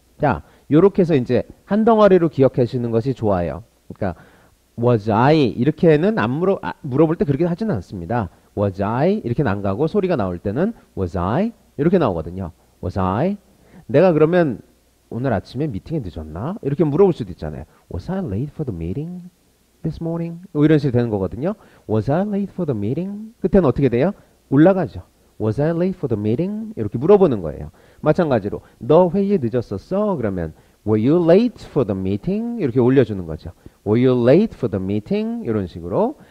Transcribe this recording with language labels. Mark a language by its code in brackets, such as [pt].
[ko] 자, 요렇게 해서 이제 한 덩어리로 기억해 주시는 것이 좋아요. 그러니까 was I 이렇게는 물어볼 때 그렇게 하지는 않습니다. was I 이렇게는 안 가고 소리가 나올 때는 was I 이렇게 나오거든요. was I 내가 그러면 오늘 아침에 미팅에 늦었나? 이렇게 물어볼 수도 있잖아요. [en] Was I late for the meeting this morning? [ko] 뭐 이런 식으로 되는 거거든요. [en] Was I late for the meeting? [ko] 끝에는 어떻게 돼요? 올라가죠. [en] Was I late for the meeting? [ko] 이렇게 물어보는 거예요. 마찬가지로 너 회의에 늦었었어? [en] 그러면 Were you late for the meeting? [ko] 이렇게 올려주는 거죠. [en] Were you late for the meeting? [ko] 이런 식으로.